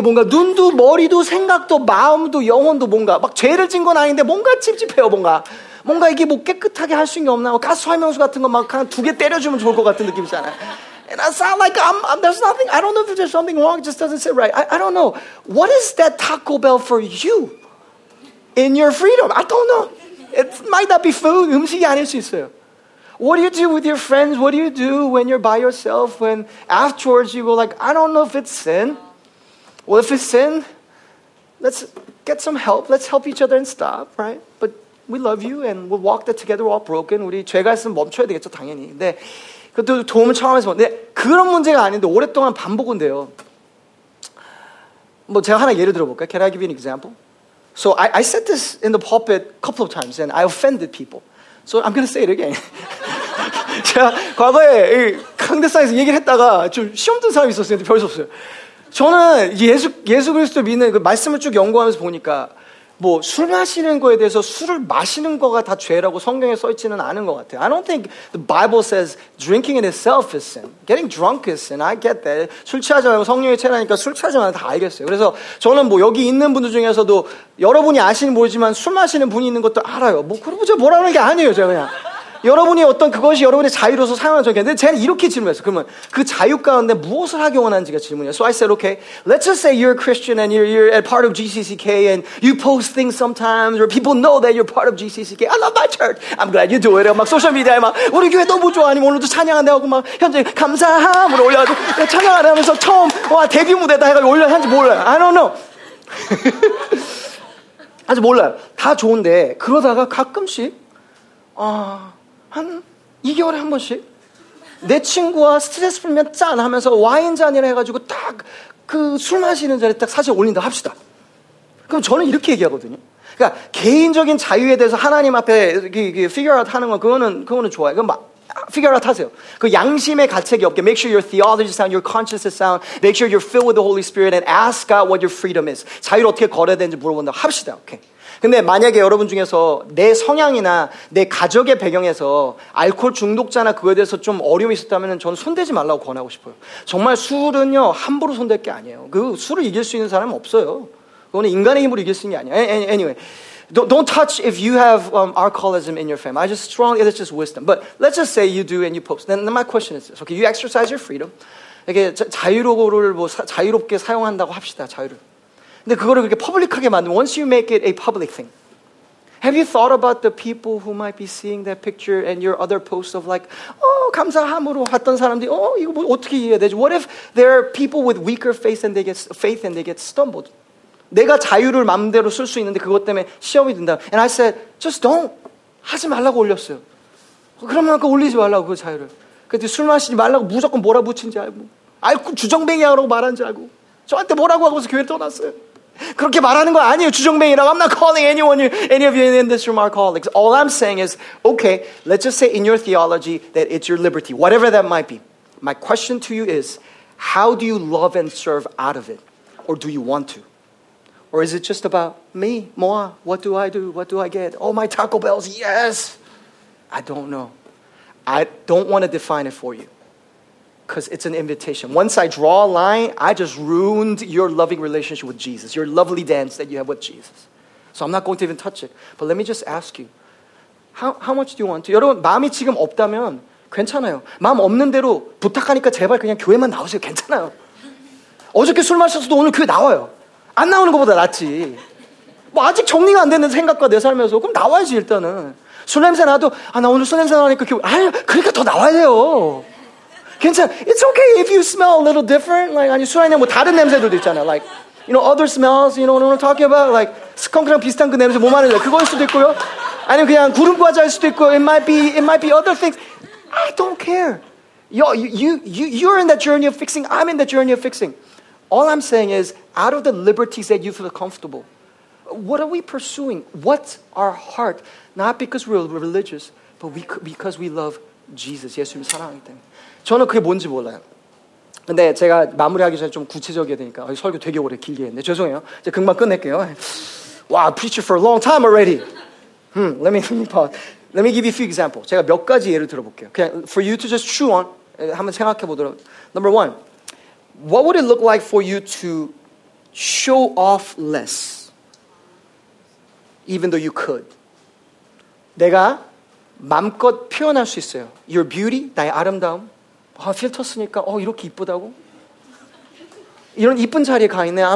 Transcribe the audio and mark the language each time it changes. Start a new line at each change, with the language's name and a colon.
Korean: 뭔가 눈도 머리도 생각도 마음도 영혼도 뭔가 막 죄를 진 건 아닌데 뭔가 찝찝해요 뭔가. 뭔가 이게 뭐 깨끗하게 할 수 있는 게 없나? 가스활명수 같은 거 막 한 두 개 때려주면 좋을 것 같은 느낌이잖아.
English: And I sound like I'm there's nothing. I don't know if there's something wrong. It just doesn't sit right. I don't know. What is that Taco Bell for you in your freedom? I don't know. It might not be food.
Korean: 음식이 아닐 수 있어요.
English: What do you do with your friends? What do you do when you're by yourself? When afterwards you go like, I don't know if it's sin. Well, if it's sin, let's get some help. Let's help each other and stop, right? But we love you and we'll walk that together, we're all broken.
Korean: 우리 죄가 있으면 멈춰야 되겠죠, 당연히. 근데 그것도 도움을 청하면서. 근데 그런 문제가 아닌데 오랫동안 반복은 돼요. 뭐 제가 하나 예를 들어볼까요?
English: Can I give you an example? So I said this in the pulpit a couple of times and I offended people. So I'm going to say it again.
Korean: 제가 과거에 강대상에서 얘기를 했다가 좀 시험 든 사람이 있었어요. 별수 없어요. 저는 예수 그리스도 믿는 그 말씀을 쭉 연구하면서 보니까 뭐 술 마시는 거에 대해서 술을 마시는 거가 다 죄라고 성경에 써있지는 않은 것 같아요.
English: I don't think the Bible says drinking in itself is sin. Getting drunk is sin. I get that.
Korean: 술 취하지 말고 성령의 체라니까 술 취하지 말고 다 알겠어요. 그래서 저는 뭐 여기 있는 분들 중에서도 여러분이 아시는 모르지만 술 마시는 분이 있는 것도 알아요. 뭐 그러고 제가 뭐라고 하는 게 아니에요. 제가 그냥. 여러분이 어떤 그것이 여러분의 자유로서 사용하는 건데 쟤는 이렇게 질문했어요. 그러면 그 자유 가운데 무엇을 악용하는지가 질문이에요.
English: So I said, okay, let's just say you're a Christian and you're a part of GCCK and you post things sometimes or people know that you're part of GCCK. I love my church. I'm glad you do it.
Korean: 막 소셜미디어에 막 우리 교회 너무 좋아. 아니면 오늘도 찬양한다 하고 막 현재 감사함을 올려가지고 찬양하면서 처음 와 데뷔 무대다 해가지고 올려야지 몰라요.
English: I don't know.
Korean: 아직 몰라요. 다 좋은데 그러다가 가끔씩 한 2개월에 한 번씩 내 친구와 스트레스 풀면 짠 하면서 와인 잔이라 해가지고 딱 그 술 마시는 자리에 딱 사진 올린다 합시다. 그럼 저는 이렇게 얘기하거든요. 그러니까 개인적인 자유에 대해서 하나님 앞에
English: figure out
Korean: 하는 건 그거는 좋아요. 그럼 막
English: figure out
Korean: 하세요. 그 양심의 가책이 없게
English: make sure your theology is sound, your conscience is sound, make sure you're filled with the Holy Spirit and ask God what your freedom is.
Korean: 자유를 어떻게 걸어야 되는지 물어본다 합시다. 오케이. 근데 만약에 여러분 중에서 내 성향이나 내 가족의 배경에서 알코올 중독자나 그거에 대해서 좀 어려움이 있었다면 저는 손대지 말라고 권하고 싶어요. 정말 술은요 함부로 손댈 게 아니에요. 그 술을 이길 수 있는 사람은 없어요. 그거는 인간의 힘으로 이길 수 있는 게 아니에요.
English: Anyway, don't touch if you have alcoholism in your family. I just strongly, that's just wisdom. But let's just say you do and you post. Then my question is this. Okay, you exercise your freedom.
Korean: 이렇게 자유로를 뭐 자유롭게 사용한다고 합시다. 자유를. 근데 그거를 그렇게 퍼블릭하게 만들면
English: once you make it a public thing. Have you thought about the people who might be seeing that picture and your other posts of like, oh,
Korean: 감사함으로 봤던 사람들이,
English: oh,
Korean: 이거 뭐 어떻게 이해해야 되지?
English: What if there are people with weaker faith and they get faith and they get stumbled?
Korean: 내가 자유를 마음대로 쓸 수 있는데 그것 때문에 시험이 든다.
English: And I said, just don't.
Korean: 하지 말라고 올렸어요. 그러면 그 올리지 말라고 그 자유를. 그때 술 마시지 말라고 무조건 몰아붙인지 알고. 알코올 주정뱅이야 라고 말한지 알고. 저한테 뭐라고 하고서 교회를 떠났어요. 그렇게 말하는 거 아니에요. 주정뱅이라고.
English: I'm not calling anyone, any of you in this room our colleagues. All I'm saying is, okay, let's just say in your theology that it's your liberty, whatever that might be. My question to you is, how do you love and serve out of it? Or do you want to? Or is it just about me? Moi? What do I do? What do I get? Oh, my Taco Bells. Yes. I don't know. I don't want to define it for you. Because it's an invitation. Once I draw a line, I just ruined your loving relationship with Jesus. Your lovely dance that you have with Jesus. So I'm not going to even touch it. But let me just ask you. How much do you want to?
Korean: 여러분, 마음이 지금 없다면 괜찮아요. 마음 없는 대로 부탁하니까 제발 그냥 교회만 나오세요. 괜찮아요. 어저께 술 마셨어도 오늘 교회 나와요. 안 나오는 것보다 낫지. 뭐 아직 정리가 안 되는 생각과 내 삶에서. 그럼 나와야지 일단은. 술 냄새 나도 아, 나 오늘 술 냄새 나니까 교회. 아, 그러니까 더 나와야 돼요. 괜찮아.
English: It's okay if you smell a little different.
Korean: Like, 아니, 술 아니면 뭐 다른 냄새들도 있잖아.
English: Like, you know, other smells, you know what I'm talking about?
Korean: Like, 스컹크랑 비슷한 그 냄새 뭐 말해요? 그거일 수도 있고요. 아니면 그냥 구름 과자일 수도 있고,
English: it might be other things. I don't care. You're in that journey of fixing. I'm in that journey of fixing. All I'm saying is, out of the liberties that you feel comfortable, what are we pursuing? What's our heart? Not because we're religious, but because we love Jesus.
Korean: 예수님 사랑하기 때문에. 저는 그게 뭔지 몰라요. 근데 제가 마무리하기 전에 좀 구체적이어야 되니까 설교 되게 오래 길게 했는데 죄송해요. 이제 금방 끝낼게요.
English: Wow, I preached for a long time already. Let me pause. Let me give you a few examples.
Korean: 제가 몇 가지 예를 들어볼게요. 그냥
English: for you to just chew on,
Korean: 한번 생각해 보도록.
English: Number one, what would it look like for you to show off less, even though you could?
Korean: 내가 마음껏 표현할 수 있어요.
English: Your beauty,
Korean: 나의 아름다움. 아, 필터 쓰니까 어, 이렇게 이쁘다고? 이런 이쁜 자리에 가 있네.